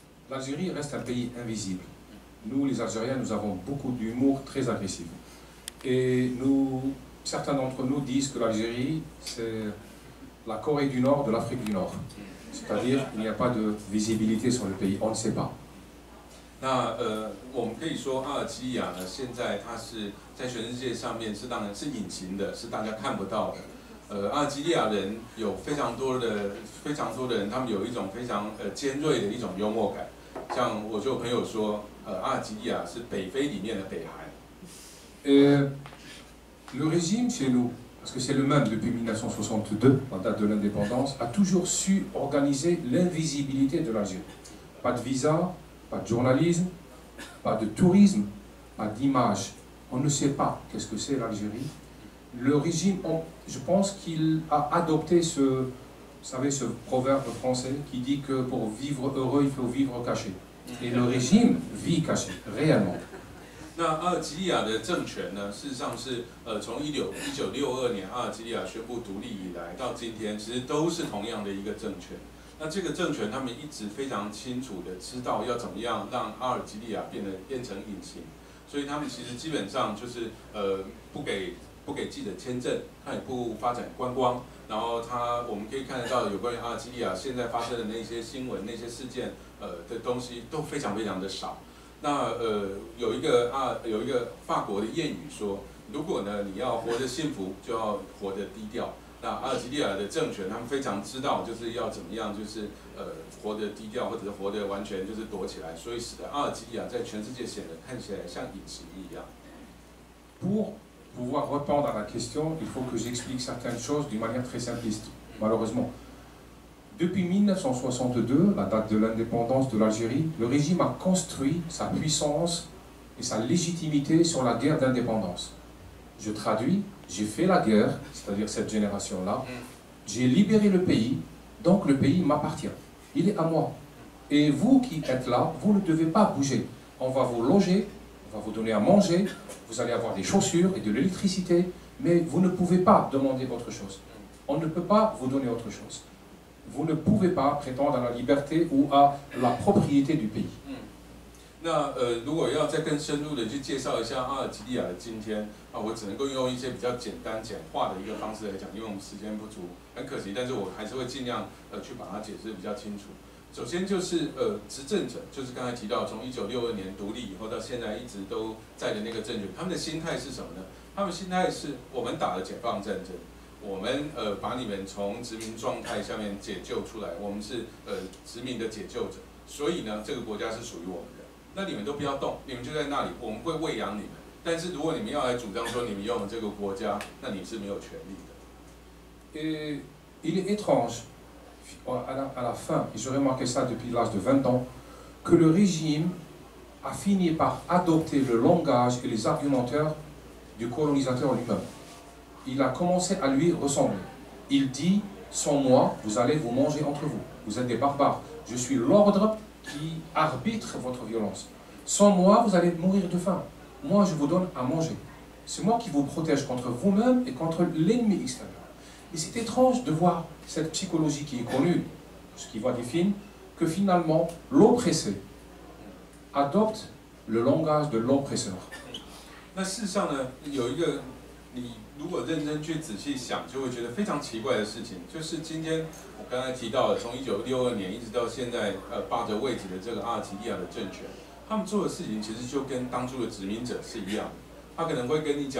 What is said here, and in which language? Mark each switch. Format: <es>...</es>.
<fr>L'Algérie reste un pays invisible. Nous, les Algériens, nous avons beaucoup d'humour très agressif. Et certains d'entre nous disent que l'Algérie, c'est la Corée du Nord de l'Afrique du Nord. C'est-à-dire qu'il n'y a pas de visibilité sur le pays. On ne sait pas.</fr> <zh>那我们可以说阿尔及利亚呢，现在它是在全世界上面是当然是隐形的，是大家看不到的。阿尔及利亚人有非常多的人，他们有一种非常尖锐的一种幽默感。像我就有朋友说，阿尔及利亚是北非里面的北韩。</zh> <fr>Le régime chez nous, parce que c'est le même depuis 1962, la date de l'indépendance, a toujours su organiser l'invisibilité de l'Algérie. Pas de visa. Pas de journalisme, pas de tourisme, pas d'image. On ne sait pas qu'est-ce que c'est l'Algérie. Le régime, je pense qu'il a adopté ce proverbe français qui dit que pour vivre heureux, il faut vivre caché. Et le régime vit caché, réellement.</fr> <zh>那阿尔及利亚的政权呢？事实上是从1962年阿尔及利亚宣布独立以来到今天，其实都是同样的一个政权。那这个政权他们一直非常清楚的知道要怎么样让阿尔及利亚变成隐形，所以他们其实基本上就是不给记者签证，他也不发展观光，然后他我们可以看得到有关于阿尔及利亚现在发生的那些新闻那些事件的东西都非常非常的少。那有一个法国的谚语说，如果呢你要活得幸福就要活得低调。那阿尔及利亚的政权，他们非常知道，就是要怎么样，就是活得低调，或者是活得完全就是躲起来，所以使得阿尔及利亚在全世界看起来像隐形一样。</zh> <fr>Pour pouvoir répondre à la question, il faut que j'explique certaines choses d'une manière très simpliste. Malheureusement, depuis 1962, la date de l'indépendance de l'Algérie, le régime a construit sa puissance et sa légitimité sur la guerre d'indépendance. Je traduis. J'ai fait la guerre, c'est-à-dire cette génération-là. J'ai libéré le pays, donc le pays m'appartient. Il est à moi. Et vous qui êtes là, vous ne devez pas bouger. On va vous loger, on va vous donner à manger, vous allez avoir des chaussures et de l'électricité, mais vous ne pouvez pas demander autre chose. On ne peut pas vous donner autre chose. Vous ne pouvez pas prétendre à la liberté ou à la propriété du pays.</fr> <zh>那如果要再更深入的去介绍一下阿尔及利亚的今天啊，我只能够用一些比较简单简化的一个方式来讲，因为我们时间不足，很可惜，但是我还是会尽量去把它解释比较清楚。首先就是执政者，就是刚才提到从1962年独立以后到现在一直都在的那个政权，他们的心态是什么呢？他们心态是我们打了解放战争，我们把你们从殖民状态下面解救出来，我们是殖民的解救者，所以呢，这个国家是属于我们的。那你们都不要动，你们就在那里，我们会喂养你们。但是如果你们要来主张说你们用这个国家，那你是没有权利的。</zh> <fr>Il est étrange, à la fin, et je remarque ça depuis l'âge de 20 ans, que le régime a fini par adopter le langage et les argumentaires du colonisateur lui-même. Il a commencé à lui ressembler. Il dit, sans moi, vous allez vous manger entre vous. Vous êtes des barbares. Je suis l'ordre qui arbitre votre violence. Sans moi, vous allez mourir de faim. Moi, je vous donne à manger. C'est moi qui vous protège contre vous-même et contre l'ennemi extérieur. Et c'est étrange de voir cette psychologie qui est connue, ce qui voit des films, que finalement, l'oppressé adopte le langage de l'oppresseur.</fr> <zh>那事实上呢，有一个你如果认真去仔细想， 就会觉得非常奇怪的事情， 就是今天我刚才提到的， 从1962年 一直到现在， 霸着位置的这个阿尔及利亚的政权， 他们做的事情其实就跟当初的殖民者是一样的。</zh>